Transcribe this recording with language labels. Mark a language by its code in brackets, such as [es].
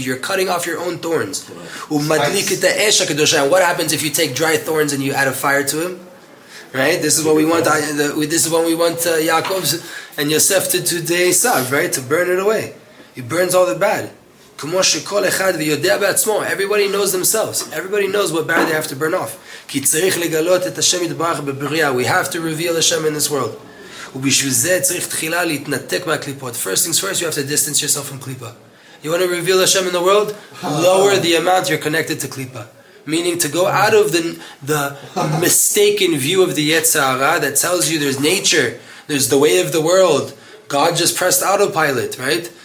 [en] You're cutting off your own thorns. And what happens if you take dry thorns and you add a fire to them? Right. This is what we want. This is what we want Yaakov and Yosef to do. They sav, right, to burn it away. It burns all the bad. [he] כמו שכל אחד ויודע בעצמו. [en] Everybody knows themselves. Everybody knows what bad they have to burn off. [he] כי צריך לגלות את השם יתברך בבריאה. [en] We have to reveal Hashem in this world. [he] ובשביל זה צריך תחילה להתנתק מהקליפות. [en] First things first, you have to distance yourself from קליפה. You want to reveal Hashem in the world? Lower the amount you're connected to קליפה. Meaning to go out of the mistaken view of the Yetzara that tells you there's nature, there's the way of the world. God just pressed autopilot, right?